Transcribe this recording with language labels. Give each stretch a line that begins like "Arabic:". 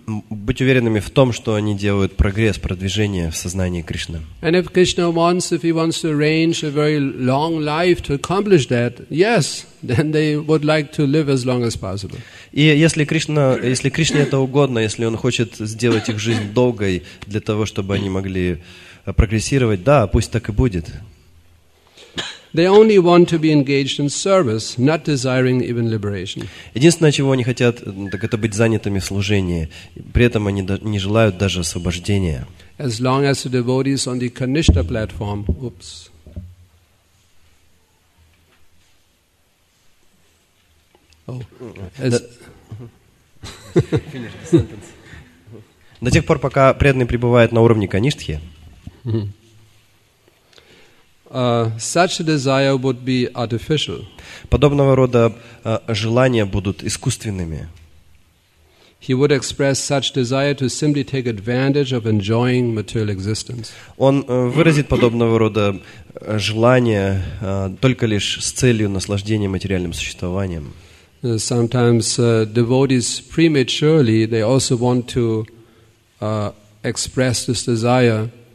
Russian: Быть уверенными в том, что они делают прогресс, продвижение в сознании Кришны.
English: And if Krishna wants, if he wants to arrange a very long life to accomplish that, yes, then they would like to live as long as possible.
Russian: И если Кришне это угодно, если он хочет сделать их жизнь долгой для того, чтобы они могли прогрессировать, да, пусть так и будет.
English: They only want to be engaged in service, not desiring even liberation.
Russian: Единственное, чего они хотят, так это быть занятыми в служении. При этом они не желают даже освобождения.
English: As long as the devotee is on the Kanishtha platform, oops.
Russian: До тех пор, пока преданный пребывает на уровне Каништхи.
English: Such a desire would be artificial.
Russian: Подобного рода желания будут искусственными.
English: He would express such desire to simply take advantage of enjoying material existence.
Russian: Он выразит подобного рода желания только лишь с целью наслаждения материальным существованием.
English: Sometimes devotees prematurely they also want to express this desire.